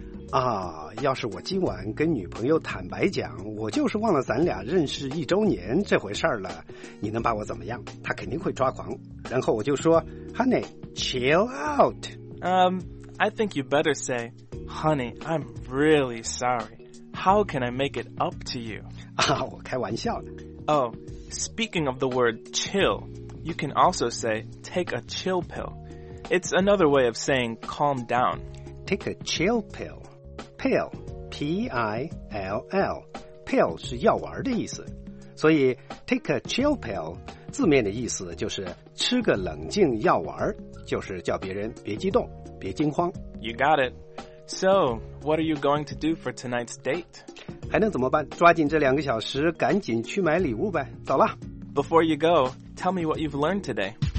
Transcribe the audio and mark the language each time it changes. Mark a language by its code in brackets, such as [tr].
[zh] 啊，要是我今晚跟女朋友坦白讲，我就是忘了咱俩认识一周年这回事儿了，你能把我怎么样？她肯定会抓狂。然后我就说 ， [en] Honey, chill out. I think you better say, Honey, I'm really sorry. How can I make it up to you? [zh] 啊，我开玩笑的。 [en] Oh, speaking of the word chill, you can also say take a chill pill. It's another way of saying calm down. Take a chill pill. Pill, P P-I-L-L Pill [zh] 是药丸的意思，所以 [en] take a chill pill [zh] 字面的意思就是吃个冷静药丸，就是叫别人别激动别惊慌。 [en] You got it. So what are you going to do for tonight's date? [zh] 还能怎么办，抓紧这两个小时赶紧去买礼物呗，走了。 [en] Before you go, tell me what you've learned today.